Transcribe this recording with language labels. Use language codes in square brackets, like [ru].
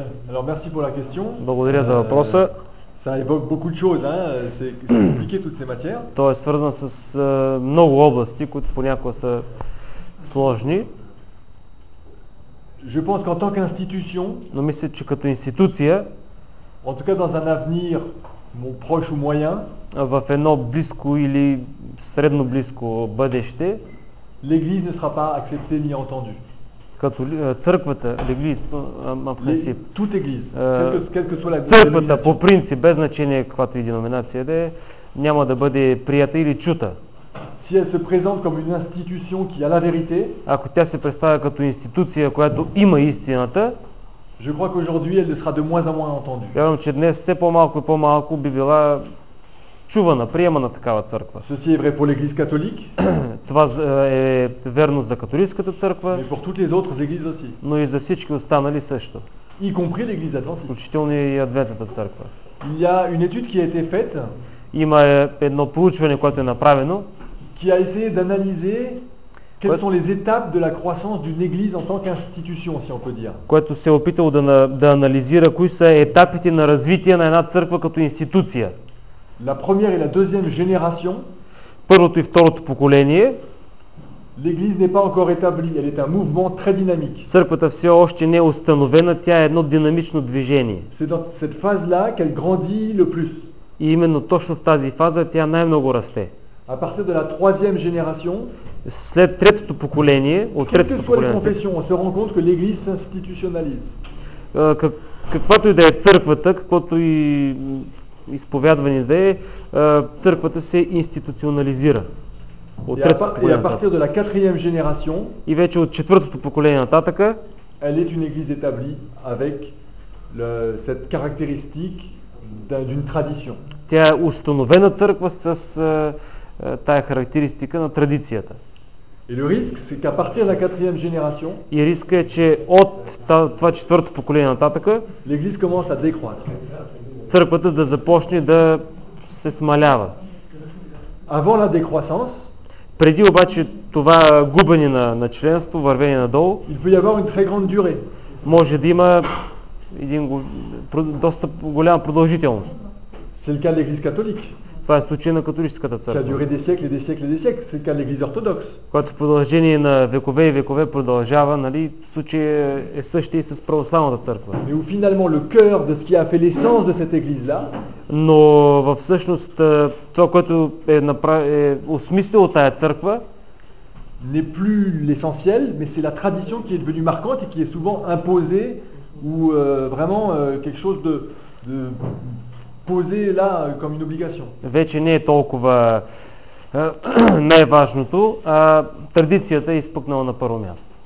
[fr] Alors merci pour la question. [bg] Благодаря за вопроса. [fr] Ça évoque beaucoup de choses, hein? C'est compliqué toutes ces matières. [bg] То е свързано с много области, които понякога са сложни. [fr] Je pense qu'en tant qu'institution, [bg] но мисля, че като институция, [fr] en tout cas dans un avenir mon proche ou moyen, [bg] в едно близко или средно близко бъдеще, [fr] l'église ne sera pas acceptée ni entendue. [bg] Като църквата, [fr] l'église en principe, toute église, quelle que soit la [bg] denomination, църквата по принцип, без значение каквато и деноминация да е, няма да бъде прията или чута. [fr] Si elle se présente comme une institution qui a la vérité, [bg] ако тя се представя като институция, която има истината, [fr] je crois qu'aujourd'hui elle sera de moins en moins entendue. [bg] Вярвам, че днес все по-малко и по-малко би била чувана, приемана такава църква. [fr] Ceci est vrai pour l'église catholique. [bg] Това е верно за католическата църква. [fr] Mais pour toutes les autres églises aussi. [bg] Но и за всички останали също. [fr] Y compris l'église adventiste. [bg] Включително и адвентната църква. [fr] Il y a une étude qui a été faite. [bg] Има едно проучване, което е направено. [fr] Qui a essayé d'analyser quelles sont les étapes de la croissance d'une église en tant qu'institution, si on peut dire. [bg] Което се опитало да анализира кои са етапите на развитие на една църква като институция. [fr] La première et la deuxième génération. [bg] Първото и второто поколение. [fr] L'Église n'est pas encore établie, elle est un mouvement très dynamique. [bg] Църквата все още не е установена, тя е едно динамично движение. [fr] C'est dans cette phase-là qu'elle grandit le plus. [bg] И именно точно в тази фаза тя най-много расте. [fr] À partir de la troisième génération, [bg] след третото поколение, от третото поколение. [fr] Quelle que soit la confession, on se rend compte que l'Église s'institutionnalise. [bg] Каквато и да е църквата, каквото и изповядване да е, църквата се институционализира. [fr] Et à partir de la quatrième génération, [bg] и вече от четвъртото поколение нататък, [fr] elle est une église établie avec cette caractéristique d'une tradition. [bg] Тя е установена църква с тая характеристика на традицията. [fr] Et le risque, c'est qu'à partir de la quatrième génération, [bg] и риска е, че от това четвърто поколение нататък, [fr] l'église commence à décroître. [bg] Църквата да започне да се смалява. [fr] Avant la décroissance, [bg] преди обаче това губене на членство, вървение надолу, [fr] il peut y avoir une très grande durée. [bg] Може да има един доста голяма продължителност. [fr] C'est le cas de l'Église catholique. [bg] Това е случай на католическата църква. [fr] Ça a duré des siècles et des siècles et des siècles. C'est le cas de l'Église orthodoxe. [bg] Което продължение на векове и векове продължава, нали, случай е същия и с православната църква. [fr] Mais où finalement le cœur de ce qui a fait l'essence de cette Église-là, [bg] но във всъщност това, което е осмислило тая църква, [fr] n'est plus l'essentiel, mais c'est la tradition qui est devenue marquante et qui est souvent imposée ou vraiment quelque chose de posé là comme une obligation. [bg] Вече не е толкова най-важното, а традицията е изпъкнала на първо място.